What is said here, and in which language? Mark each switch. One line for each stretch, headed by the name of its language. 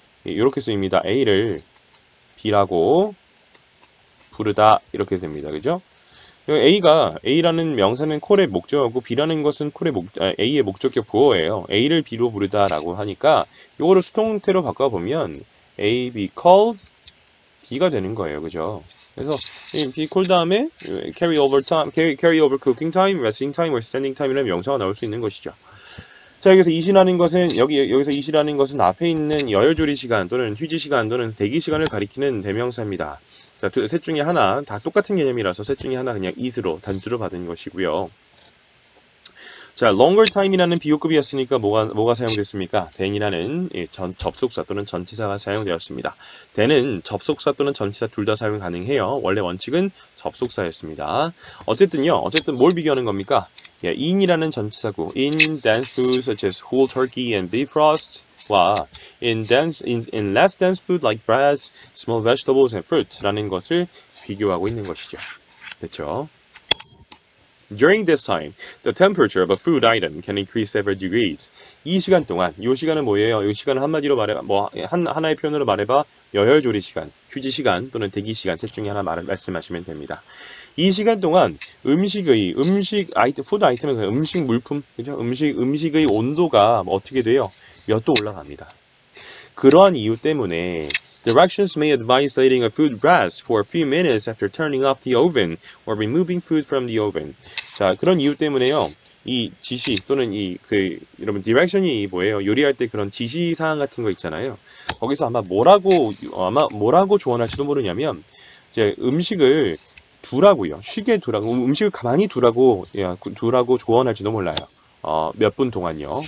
Korean: 이렇게 쓰입니다. A를 B라고 부르다. 이렇게 됩니다. 그죠? A라는 명사는 콜의 목적어고 B라는 것은 A의 목적격 보어예요. A를 B로 부르다라고 하니까 이거를 수동태로 바꿔보면
English: A be called B
Korean: 가 되는 거예요. 그죠? 그래서 be called 다음에
English: carry over cooking time, resting time, or standing time
Korean: 이라는 명사가 나올 수 있는 것이죠. 자, 여기서 이시라는 것은 앞에 있는 여열 조리 시간 또는 휴지 시간 또는 대기 시간을 가리키는 대명사입니다. 자, 셋 중에 하나, 다 똑같은 개념이라서 셋 중에 하나 그냥 is로 단수로 받은 것이고요. 자, longer time이라는 비교급이었으니까 뭐가 사용됐습니까? than이라는 접속사 또는 전치사가 사용되었습니다. than은 접속사 또는 전치사 둘다 사용 가능해요. 원래 원칙은 접속사였습니다. 어쨌든요, 어쨌든 뭘 비교하는 겁니까? 예, in이라는 전치사구,
English: in dense food such as whole turkey and beef roast
Korean: 와
English: in less dense food like bread, small vegetables and fruits
Korean: 라는 것을 비교하고 있는 것이죠. 됐죠?
English: During this time, the temperature of a food item can increase several degrees.
Korean: 이 시간 동안, 이 시간은 뭐예요? 이 시간을 한마디로 말해봐, 뭐 하나의 표현으로 말해봐. 여열조리 시간, 휴지 시간 또는 대기 시간 셋 중에 하나 말씀하시면 됩니다. 이 시간 동안 푸드 아이템에서 음식 물품, 그죠? 음식의 온도가 어떻게 돼요? 몇도 올라갑니다. 그런 이유 때문에
English: directions may advise letting a food rest for a few minutes after turning off the oven or removing food from the oven.
Korean: 자, 그런 이유 때문에요. 이 지시 또는 이그 여러분 디렉션이 뭐예요? 요리할 때 그런 지시 사항 같은 거 있잖아요. 거기서 아마 뭐라고 조언할지도 모르냐면 이제 음식을 두라고요. 쉬게 두라고 음식을 가만히 두라고 예, 두라고 조언할지도 몰라요. 몇분 동안요.